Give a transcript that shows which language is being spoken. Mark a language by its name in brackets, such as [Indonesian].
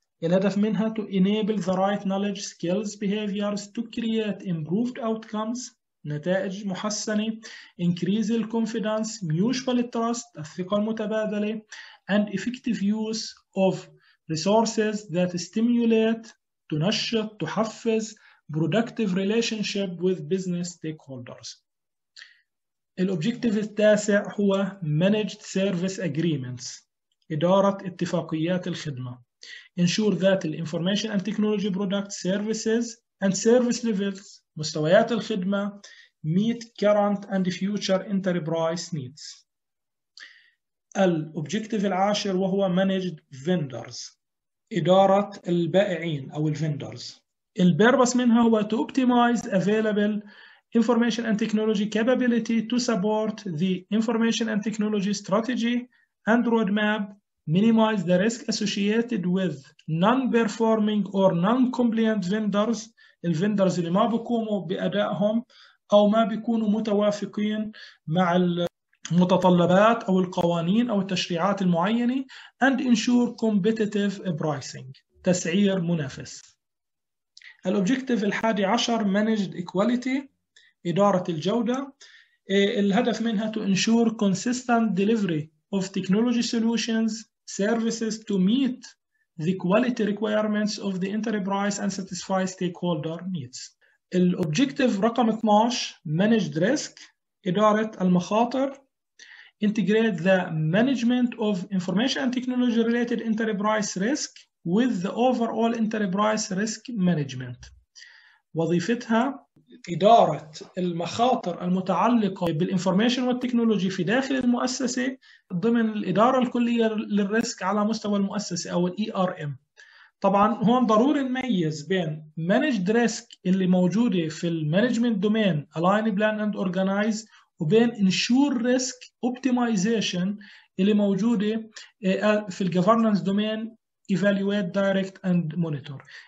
[Arabic] الهدف منها [English] to enable the right knowledge, skills, behaviors to create improved outcomes, [Arabic] نتائج محسنة, [English] increase the confidence, mutual trust, [Arabic] الثقة المتبادلة, [English] and effective use of resources that stimulate, [Arabic] تنشط, تحفز [English] productive relationship with business stakeholders. [Arabic] الobjective التاسع هو [English] managed service agreements, [Arabic] إدارة اتفاقيات الخدمة. [English] Ensure that the information and technology products, services, and service levels, [Arabic] مستويات الخدمة, [English] meet current and future enterprise needs. [Arabic] الobjective العاشر وهو [English] managed vendors, [Arabic] إدارة البائعين أو الفندرز. [English] The purpose [Arabic] منها هو [English] to optimize available information and technology capability to support the information and technology strategy and roadmap, minimize the risk associated with non-performing or non-compliant vendors, [Arabic] الفندرز اللي ما بيقوموا بأدائهم أو ما بيكونوا متوافقين مع المتطلبات أو القوانين أو التشريعات المعينة, [English] and ensure competitive pricing, [Arabic] تسعير منافس. الأوبجيكتيف الحادي عشر [English] managed equality, [Arabic] إدارة الجودة. الهدف منها [English] to ensure consistent delivery of technology solutions services to meet the quality requirements of the enterprise and satisfy stakeholder needs. [Arabic] الobjective رقم 12 [English] managed risk, [Arabic] إدارة المخاطر. [English] Integrate the management of information and technology related enterprise risk with the overall enterprise risk management. [Arabic] وظيفتها إدارة المخاطر المتعلقة بالإنفورميشن والتكنولوجي في داخل المؤسسة ضمن الإدارة الكلية للريسك على مستوى المؤسسة أو الـ ERM. طبعاً هون ضروري نميز بين Managed Risk اللي موجودة في [English] Management Domain Align, Plan and Organize [Arabic] وبين [English] Ensure Risk Optimization [Arabic] اللي موجودة في [English] Governance Domain Evaluate, Direct and Monitor.